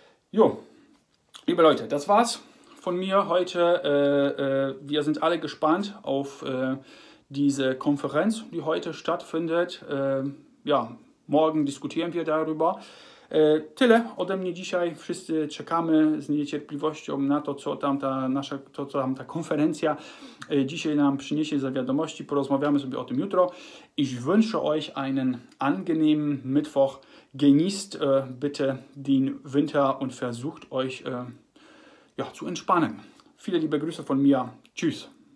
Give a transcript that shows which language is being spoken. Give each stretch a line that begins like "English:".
German: Jo, liebe Leute, das war's von mir heute. Wir sind alle gespannt auf diese Konferenz, die heute stattfindet. Ja, morgen diskutieren wir darüber.
Polish: Tyle ode mnie dzisiaj. Wszyscy czekamy z niecierpliwością na to, co tam ta konferencja dzisiaj nam przyniesie za wiadomości. Porozmawiamy sobie o tym jutro.
German: Ich wünsche euch einen angenehmen Mittwoch. Genießt bitte den Winter und versucht euch zu entspannen. Viele liebe Grüße von mir. Tschüss.